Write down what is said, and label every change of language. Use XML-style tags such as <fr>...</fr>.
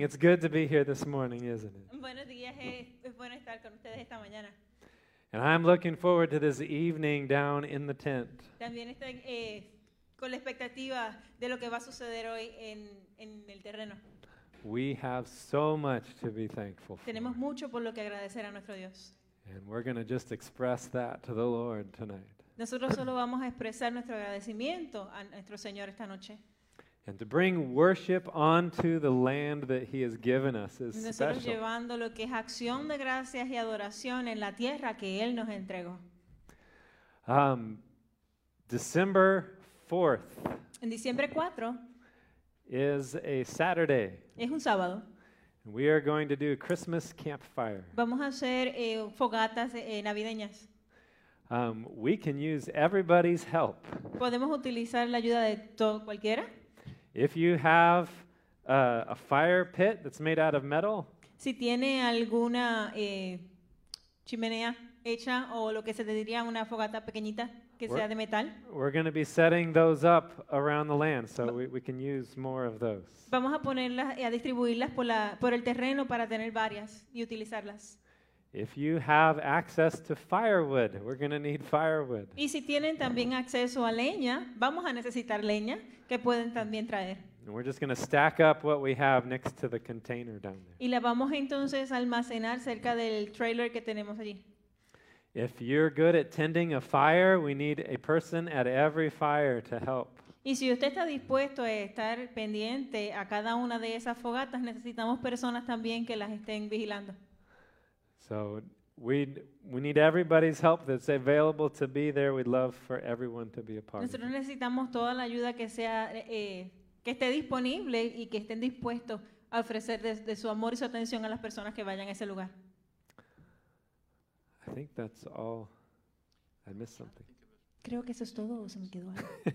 <en>It's good to be here this morning, isn't it?</en> <es>Buenos días. Es bueno estar con ustedes esta mañana.</es> <en>And I'm looking forward to this evening down in the tent.</en> <es>También estoy con la expectativa de lo que va a suceder hoy en el terreno.</es> <en>We have so much to be thankful for.</en> <es>Tenemos mucho por lo que agradecer a nuestro Dios.</es> <en>And we're going to just express that to the Lord tonight.</en> <es>Nosotros solo vamos a expresar nuestro agradecimiento a nuestro Señor esta noche.</es> <en>And to bring worship onto the land that He has given us is</en> <es>nosotros</es> <en>special.</en> <es>Nosotros llevando lo que es acción de gracias y adoración en la tierra que Él nos entregó.</es> <en>December 4th.</en> <es>En diciembre 4.</es> <en>Is a Saturday.</en> <es>Es un sábado.</es> <en>We are going to do a Christmas campfire.</en> <es>Vamos a hacer fogatas navideñas.</es> <en>We can use everybody's help.</en> <es>Podemos utilizar la ayuda de todo cualquiera.</es> <en>If you have a fire pit that's made out of metal.</en> <es>Si tiene alguna chimenea hecha o lo que se le diría una fogata pequeñita que sea de metal.</es> <en>We're going to be setting those up around the land, so we can use more of those.</en> <es>Vamos a ponerlas y a distribuirlas por el terreno para tener varias y utilizarlas.</es> <en>If you have access to firewood, we're going to need firewood.</en> <es>Y si tienen también acceso a leña, vamos a necesitar leña que pueden también traer.</es> <en>And we're just going to stack up what we have next to the container down there.</en> <es>Y la vamos entonces a almacenar cerca del trailer que tenemos allí.</es> <en>If you're good at tending a fire, we need a person at every fire to help.</en> <es>Y si usted está dispuesto a estar pendiente a cada una de esas fogatas, necesitamos personas también que las estén vigilando.</es> <en>So we need everybody's help that's available to be there. We'd love for everyone to be a part.</en> <es>Nosotros necesitamos toda la ayuda que sea que esté disponible y que estén dispuestos a ofrecer de su amor y su atención a las personas que vayan a ese lugar.</es> <en>I think that's all. I missed something.</en> <es>Creo que eso es todo o se me quedó algo.</es>